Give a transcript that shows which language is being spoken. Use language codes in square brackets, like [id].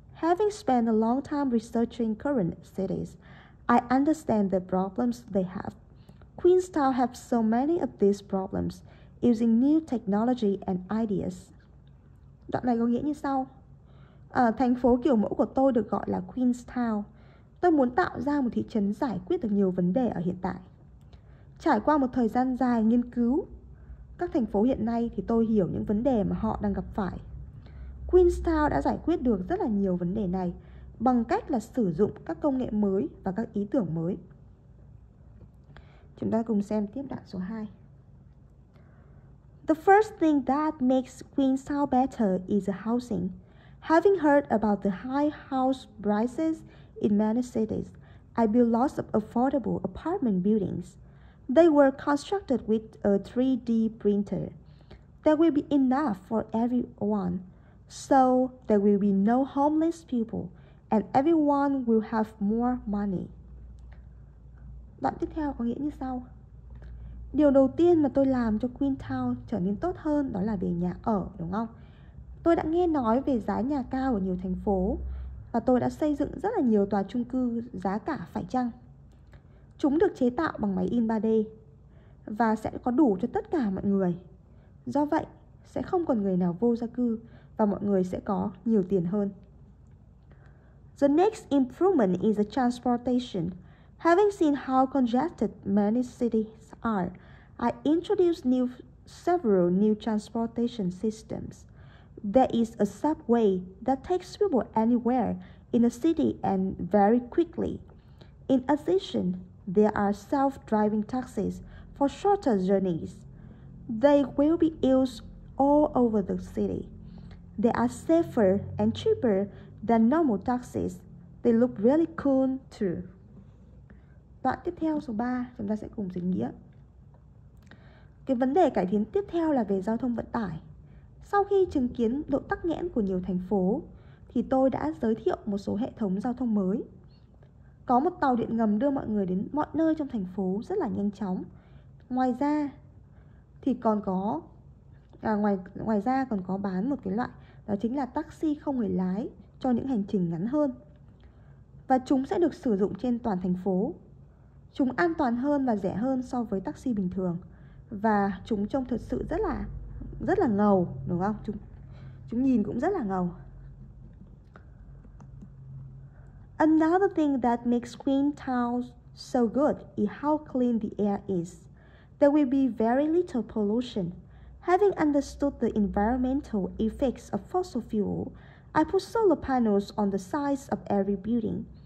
[en] Having spent a long time researching current cities, I understand the problems they have. Queenstown have so many of these problems using new technology and ideas. [vi] Đoạn này có nghĩa như sau. Thành phố kiểu mẫu của tôi được gọi là Queenstown. Tôi muốn tạo ra một thị trấn giải quyết được nhiều vấn đề ở hiện tại. Trải qua một thời gian dài nghiên cứu các thành phố hiện nay thì tôi hiểu những vấn đề mà họ đang gặp phải. Queenstown đã giải quyết được rất là nhiều vấn đề này bằng cách là sử dụng các công nghệ mới và các ý tưởng mới. Chúng ta cùng xem tiếp đoạn số 2. [en] The first thing that makes Queenstown better is the housing. Having heard about the high house prices in many cities, I built lots of affordable apartment buildings. They were constructed with a 3D printer. There will be enough for everyone, so there will be no homeless people, and everyone will have more money. [vi] Đoạn tiếp theo có nghĩa như sau. Điều đầu tiên mà tôi làm cho Queenstown trở nên tốt hơn đó là về nhà ở, đúng không? Tôi đã nghe nói về giá nhà cao ở nhiều thành phố và tôi đã xây dựng rất là nhiều tòa chung cư giá cả phải chăng. Chúng được chế tạo bằng máy in 3D và sẽ có đủ cho tất cả mọi người. Do vậy, sẽ không còn người nào vô gia cư và mọi người sẽ có nhiều tiền hơn. [en] The next improvement is the transportation. Having seen how congested many cities are, I introduced several new transportation systems. There is a subway that takes people anywhere in a city and very quickly. In addition, there are self-driving taxis for shorter journeys. They will be used all over the city. They are safer and cheaper than normal taxis. They look really cool too. [vi] Đoạn tiếp theo số 3, chúng ta sẽ cùng dịch nghĩa. Cái vấn đề cải tiến tiếp theo là về giao thông vận tải. Sau khi chứng kiến độ tắc nghẽn của nhiều thành phố, thì tôi đã giới thiệu một số hệ thống giao thông mới. Có một tàu điện ngầm đưa mọi người đến mọi nơi trong thành phố rất là nhanh chóng. Ngoài ra, thì còn có ngoài ra còn có bán một cái loại, đó chính là taxi không người lái cho những hành trình ngắn hơn. Và chúng sẽ được sử dụng trên toàn thành phố. Chúng an toàn hơn và rẻ hơn so với taxi bình thường. Và chúng trông thật sự rất là ngầu, đúng không? Chúng nhìn cũng rất là ngầu. [en] Another thing that makes Queen Town so good is how clean the air is. There will be very little pollution. Having understood the environmental effects of fossil fuel, I put solar panels on the sides of every building.